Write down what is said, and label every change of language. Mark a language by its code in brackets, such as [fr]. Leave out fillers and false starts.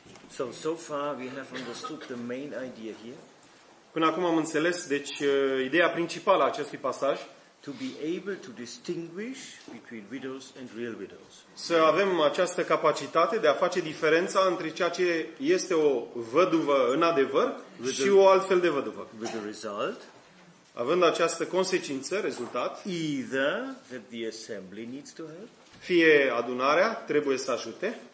[en] So far we have understood the main idea here. [ro] Până acum am înțeles, deci ideea principală a acestui pasaj, [en] to be able to distinguish between widows and real widows. [ro] Să avem această capacitate de a face diferența între ceea ce este o văduvă în adevăr și o altfel de văduvă. [en] With the result, [ro] având această consecință, rezultat, [en] either that the assembly needs to help, [ro] fie adunarea trebuie să ajute,